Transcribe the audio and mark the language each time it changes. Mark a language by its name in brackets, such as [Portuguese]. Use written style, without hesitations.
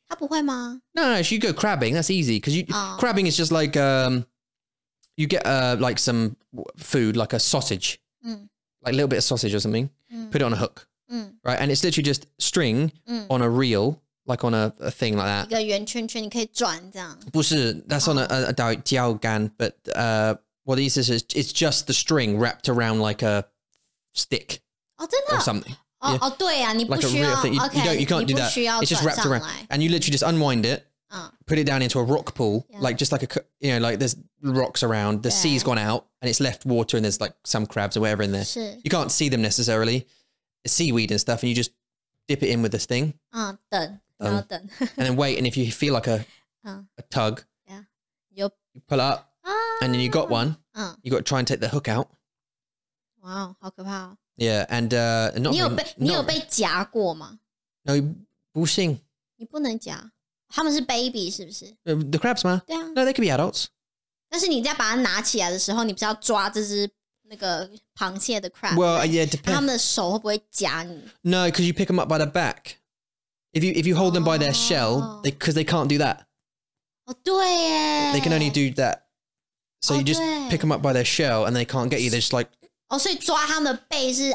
[Chinese] 她不会吗? [English] No, she go crabbing, that's easy. Because crabbing is just like, you get like some food, like a sausage. Like a little bit of sausage or something. Put it on a hook. Right, and it's literally just string on a reel, like on a thing like that. [Chinese] 一个圆圈圈，你可以转这样。不是, [English] that's on a 钓竿, but what the essence is, it's just the string wrapped around like a stick. [Chinese] Oh, 真的? [English] Or something. [Chinese] Oh, yeah. 哦，对啊，你不需要, [English] like a reel thing. You, okay, you, don't, you can't do that. It's just wrapped around. And you literally just unwind it, put it down into a rock pool, like just like a, you know, like there's rocks around, the sea's gone out, and it's left water, and there's like some crabs or whatever in there. [Chinese] 是. [English] You can't see them necessarily. Seaweed and stuff, and you just dip it in with this thing. And then wait, and if you feel like a tug, you pull up, and then you got one. You got to try and take the hook out. [Chinese] Wow, 好可怕哦. [English] Yeah, and not. [Chinese] 你有被夹过吗? No, 不行. 你不能夹.他们是baby是不是? [English] The crabs, man. [Chinese] 对啊. [English] No, they could be adults. [Chinese] 但是你在把它拿起来的时候，你不是要抓这只? 那个螃蟹的crab, [English] well, yeah, depends. [Chinese] 他们的手会不会夹你? [English] No, because you pick them up by the back. If you hold them by their shell, because they can't do that. [Chinese] Oh, 对耶! [English] They can only do that. So you just pick them up by their shell, and they can't get you. They're just like... Oh, so you grab them the back is safe.